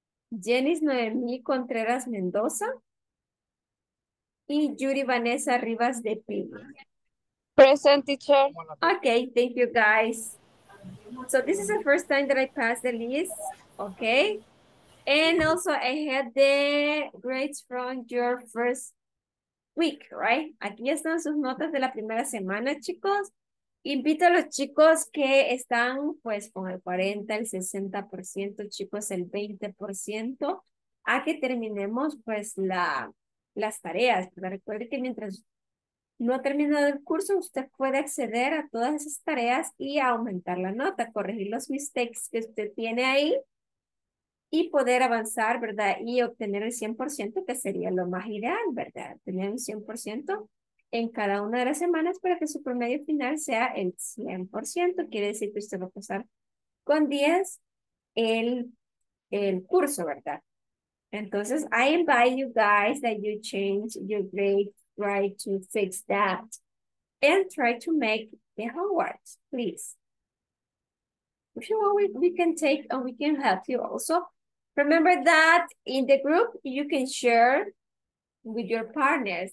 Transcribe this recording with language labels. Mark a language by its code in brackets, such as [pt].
[es] Jenis Noemí Contreras Mendoza y Yuri Vanessa Rivas de Pima. [en] Present, teacher. Okay, thank you, guys. So this is the first time that I passed the list, okay? And also I had the grades from your first week, right? [es] Aquí están sus notas de la primera semana, chicos. Invito a los chicos que están pues con el 40, el 60%, chicos, el 20%, a que terminemos pues las tareas. Pero recuerde que mientras no ha terminado el curso, usted puede acceder a todas esas tareas y aumentar la nota, corregir los mistakes que usted tiene ahí y poder avanzar, ¿verdad? Y obtener el 100%, que sería lo más ideal, ¿verdad? Tener un 100%. En cada una de las semanas para que su promedio final sea el 100%. Quiere decir que usted va a pasar con 10 el curso, ¿verdad? [en] Entonces, I invite you guys that you change your grade, try to fix that, and try to make the homework, please. If you want, we can take and we can help you also. Remember that in the group, you can share with your partners.